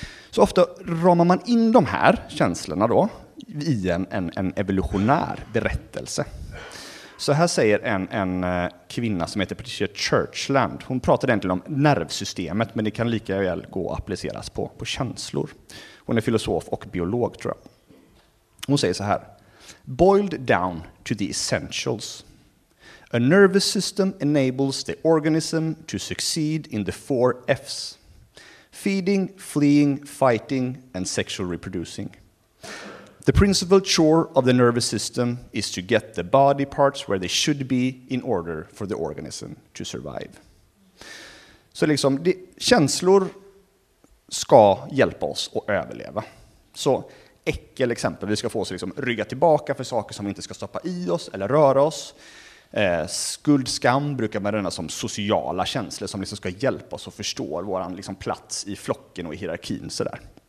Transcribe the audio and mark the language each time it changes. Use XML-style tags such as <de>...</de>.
<sv>Så ofta ramar man in de här känslorna då i en evolutionär berättelse. Så här säger en kvinna som heter Patricia Churchland. Hon pratar egentligen om nervsystemet, men det kan lika väl gå att appliceras på känslor. Hon är filosof och biolog, tror jag. Hon säger så här.</sv> <en>Boiled down to the essentials. A nervous system enables the organism to succeed in the four Fs. Feeding, fleeing, fighting and sexual reproducing. The principal chore of the nervous system is to get the body parts where they should be in order for the organism to survive.</en> <sv>Så liksom, det, känslor ska hjälpa oss att överleva. Så äckel exempel, vi ska få oss liksom rygga tillbaka för saker som vi inte ska stoppa i oss eller röra oss. Skuldskam brukar man röna som sociala känslor som liksom ska hjälpa oss att förstå våran liksom plats i flocken och i hierarkin. Sådär.</sv>